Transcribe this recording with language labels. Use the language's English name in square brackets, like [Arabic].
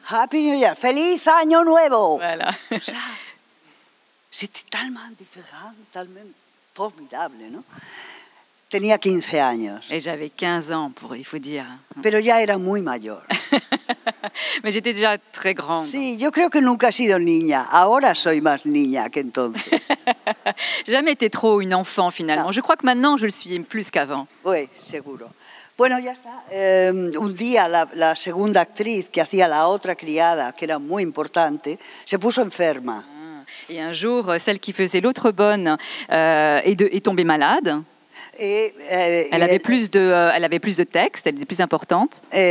[English] Happy New Year, [Spanish] feliz año nuevo. [French] Voilà. C'était tellement différent, tellement formidable, non? [Spanish] Tenía 15 años. [French] Et j'avais 15 ans, pour, il faut dire. [Spanish] Pero ya era muy mayor. [French] Mais j'étais déjà très grande. [Spanish] Sí, yo creo que nunca he sido niña. Ahora soy más niña que entonces. [French] J'ai jamais été trop une enfant, finalement. Non. Je crois que maintenant, je le suis plus qu'avant. Oui, [Spanish] seguro. Bueno, ya está. Un día, la segunda actriz que hacía la otra criada, que era muy importante, se puso enferma. Ah. [French] Et un jour, celle qui faisait l'autre bonne est tombée malade. Elle avait plus de textes, elle était plus importante.